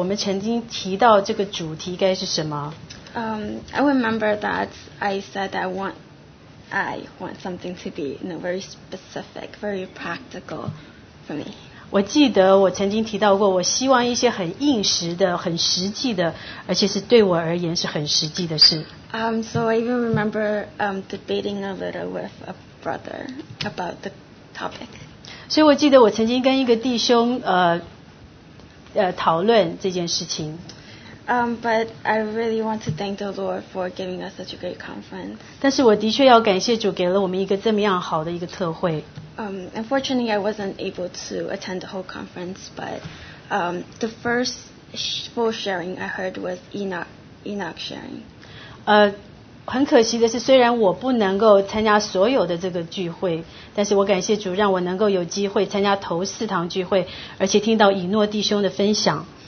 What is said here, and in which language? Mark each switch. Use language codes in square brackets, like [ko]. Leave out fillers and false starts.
[zh] 我记得当我们在预备这个特会的时候，我们曾经提到这个主题该是什么。 [en] I remember that I said that I want something to be, you know, very specific, very practical for me. [zh] 我记得我曾经提到过，我希望一些很应时的、很实际的，而且是对我而言是很实际的事。 [en] So I even remember debating a little with a brother about the topic. [zh] 所以我记得我曾经跟一个弟兄讨论这件事情。 [en] But I really want to thank the Lord for giving us such a great conference. [zh] 但是我的确要感谢主给了我们一个这么样好的一个特会。 [en] Unfortunately, I wasn't able to attend the whole conference, but the first full sharing I heard was Enoch sharing. [zh] 很可惜的是，虽然我不能够参加所有的这个聚会，但是我感谢主让我能够有机会参加头四堂聚会，而且听到以诺弟兄的分享。